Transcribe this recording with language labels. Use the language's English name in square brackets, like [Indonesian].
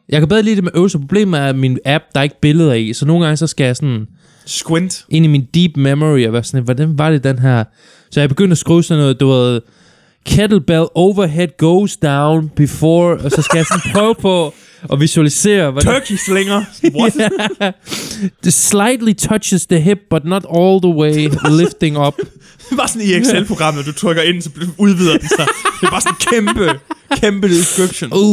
[Danish] Jeg kan bedre lide det med øvelser. Problemet er, at min app, der er ikke billeder i. Så nogle gange, så skal jeg sådan... [English] Squint. [Danish] Ind i min deep memory, og være sådan, hvordan var det den her? Så jeg begyndte at skrive sådan noget, du ved... [English] Kettlebell overhead goes down before... [Danish] Og så skal jeg sådan prøve på... Og visualisere, hvordan... Turkey slinger. [English] What? Yeah. Slightly touches the hip, but not all the way lifting up. [Danish] Det var sådan i Excel-programmet, du trykker ind, så udvider den sig. Det er bare sådan kæmpe, kæmpe description.